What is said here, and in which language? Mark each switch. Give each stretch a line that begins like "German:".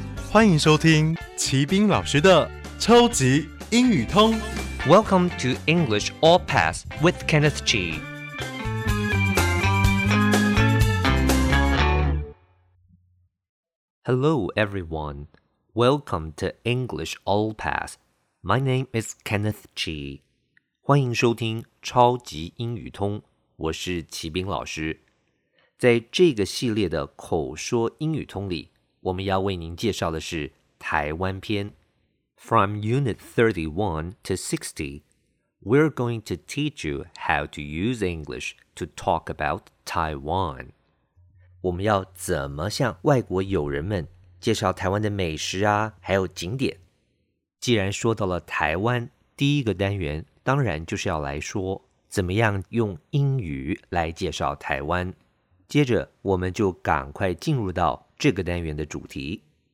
Chinese: 欢迎收听齐宾老师的超级英语通。
English: Welcome to English All Pass with Kenneth G. Hello, everyone. Welcome to English All Pass. My name is Kenneth G.
Chinese: 欢迎收听超级英语通。我是齐宾老师。在这个系列的口说英语通里，我们要为您介绍的是台湾篇。
English: From Unit 31 to 60, we're going to teach you how to use English to talk about Taiwan.
Chinese: 我们要怎么向外国友人们介绍台湾的美食啊，还有景点？既然说到了台湾，第一个单元当然就是要来说怎么样用英语来介绍台湾。接着我们就赶快进入到这个单元的主题。